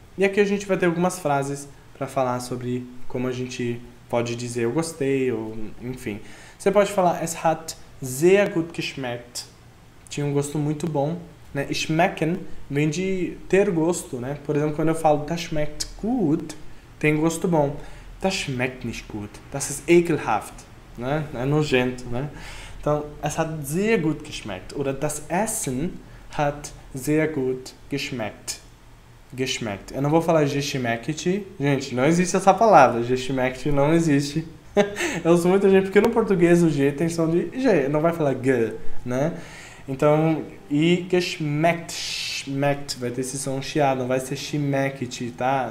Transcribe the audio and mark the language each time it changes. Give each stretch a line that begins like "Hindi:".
Portuguese: E aqui a gente vai ter algumas frases para falar sobre como a gente pode dizer eu gostei, ou enfim. Você pode falar, es hat sehr gut geschmeckt. Tinha um gosto muito bom, né? Schmecken vem de ter gosto, né? Por exemplo, quando eu falo, das schmeckt gut, tem gosto bom.
German: Das schmeckt nicht gut. Das ist ekelhaft, né? É nojento, né? Então, es hat sehr gut geschmeckt. Oder das Essen hat sehr gut geschmeckt. Geschmeckt.
Portuguese: Eu não vou falar geschmeckt. Gente, não existe essa palavra. Geschmeckt não existe. Eu uso muita gente, porque no português o G tem som de G, não vai falar G, né? Então, e geschmeckt, vai ter esse som chiado, não vai ser schmeckt, tá?